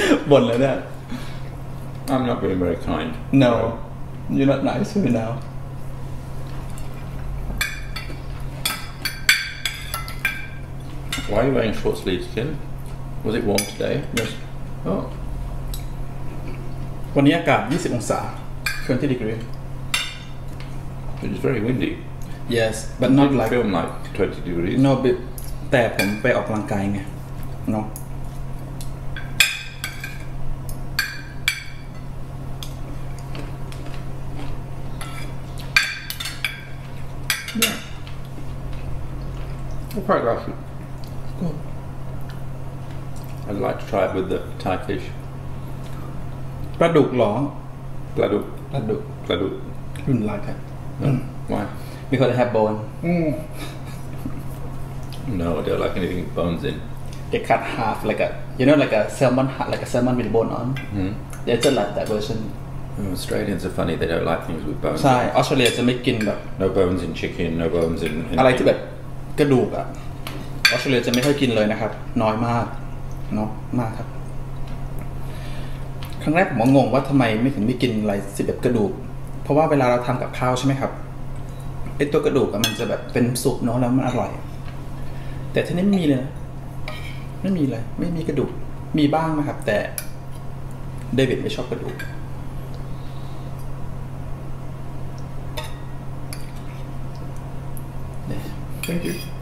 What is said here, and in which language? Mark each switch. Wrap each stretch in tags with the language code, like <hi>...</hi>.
<en>What like that? I'm not being very kind. No, you're not nice to me now. Why are you wearing short sleeves, Kim? Was it warm today? Yes. Oh.</en> <th>วันนี้อากาศ 20 องศา 20 degree.</th> <en>It is very windy. Yes, but not like... Film like 20 degrees. No, but...</en> <th>แต่ผมไปออกกำลังกายไง No.</th> <en>Yeah. I quite like it. Good. I'd like to try it with the Thai fish.</en> <th>ปลาดุกหร อปลาดุก ปลาดุก ปลาดุก</th> <en>คุณ like it Why? Because I have bone No, I don't like anything bones in They cut half like a You know like a salmon Like a salmon with bone on They just like that version Australians are funny They don't like things with bones</en> <th>ใช่ Australia จะไม่กินแบบ</th> <en>No bones in chicken No bones in</en> <th>อะไรที่แบบกระดูกอะ ออสเตรเลียจะไม่ค่อยกินเลยนะครับน้อยมากเนาะมากครับครั้งแรกผมงงว่าทำไมไม่ถึงไม่กินอะไร11กระดูกเพราะว่าเวลาเราทำกับข้าวใช่ไหมครับไอตัวกระดูกมันจะแบบเป็นสุกเนาะแล้วมันอร่อยแต่ที่นี่ไม่มีเลยนะไม่มีเลยไม่มีกระดูกมีบ้างนะครับแต่เดวิดไม่ชอบกระดูก Thank you.</th>